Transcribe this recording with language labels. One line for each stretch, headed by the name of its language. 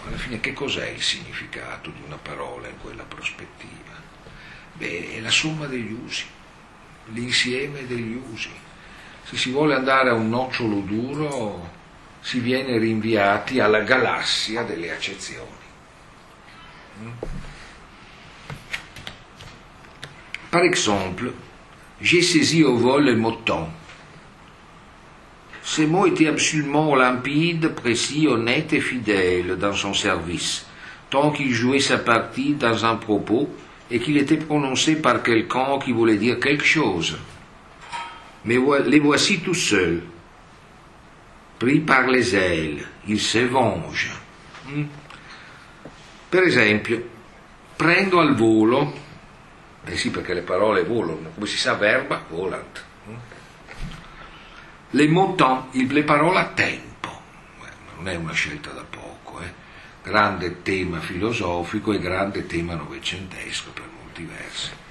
Italian: Alla fine che cos'è il significato di una parola in quella prospettiva? Beh, è la somma degli usi, l'insieme degli usi. Se si vuole andare a un nocciolo duro, si viene rinviati alla galassia delle accezioni.
French: Par exemple, j'ai saisi au vol le mot temps. Ce mot était absolument limpide, précis, honnête et fidèle dans son service, tant qu'il jouait sa partie dans un propos et qu'il était prononcé par quelqu'un qui voulait dire quelque chose. Mais les voici tout seuls, pris par les ailes, ils se vengent.
Italian: Per esempio, prendo al volo, eh sì, perché le parole volano, come si sa, verba, volant. Le montant, le parole a tempo, non è una scelta da poco, eh? Grande tema filosofico e grande tema novecentesco per molti versi.